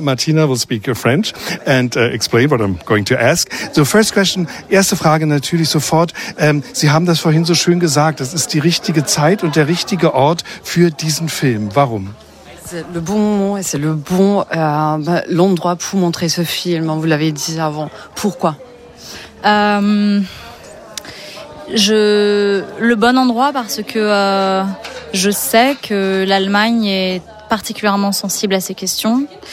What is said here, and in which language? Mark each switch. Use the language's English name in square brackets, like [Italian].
[English] Martina will speak French and explain what I'm going to ask. So first question, [German] erste Frage natürlich sofort. Sie haben das vorhin so schön gesagt. Das ist die richtige Zeit und der richtige Ort für diesen Film. Warum? [French] C'est le bon moment et c'est le bon l'endroit pour montrer ce film. Vous l'avez dit avant. Pourquoi? Le bon endroit parce que je sais que l'Allemagne est particulièrement sensible à ces questions.